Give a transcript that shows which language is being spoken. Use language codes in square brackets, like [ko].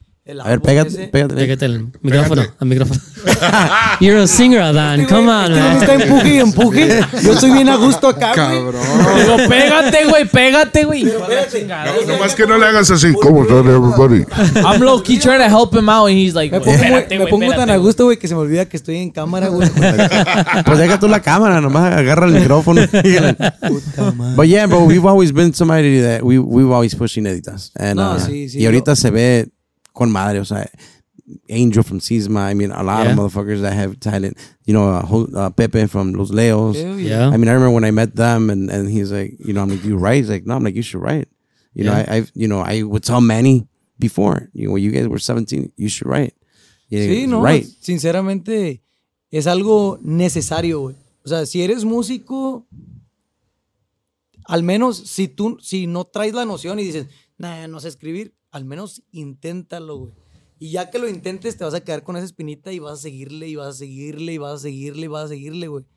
[es] A ver, pégate el micrófono. [en] You're a singer, Adan. Come on, man. [es] Está empuje y empuje. Yo estoy bien a gusto acá, cabrón. Digo, pégate, güey. No más que no le hagas así. ¿Cómo está, [en] everybody? I'm low key trying to help him out, and he's like, [es] me pongo tan a gusto, güey, que se me olvida que estoy en cámara, güey. Pues deja tú la cámara, nomás agarra el micrófono. [en] But yeah, bro, we've always been somebody that we've always pushed Ineditas. [es] Y ahorita se ve. Con madre, o sea, Angel from Sisma. [en] I mean, a lot of motherfuckers that have talent. You know, Pepe from Los Leos. Ew, yeah. I mean, I remember when I met them, and he's like, you know, I'm like, you write? He's like, no, I'm like, you should write. I would tell Manny before, you know, when you guys were 17, you should write. [es] Yeah, sí, no, write. Sinceramente, es algo necesario. O sea, si eres músico, al menos si no traes la noción y dices, nah, no sé escribir. Al menos inténtalo, güey. Y ya que lo intentes, te vas a quedar con esa espinita y vas a seguirle, y vas a seguirle, y vas a seguirle, y vas a seguirle, güey.